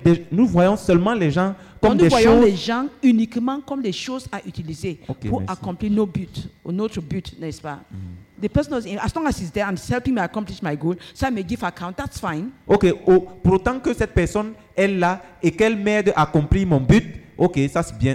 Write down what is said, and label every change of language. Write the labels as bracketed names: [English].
[French] Nous voyons seulement les gens comme nous des choses. Nous voyons les gens uniquement comme des choses à utiliser pour accomplir nos buts, ou notre but, n'est-ce pas? [English] The person is as long as he's there and helping me accomplish my goal, so I may give account. That's fine. Okay. [French] Oh, pour autant que cette personne est là et qu'elle m'aide à accomplir mon but, okay, ça c'est bien.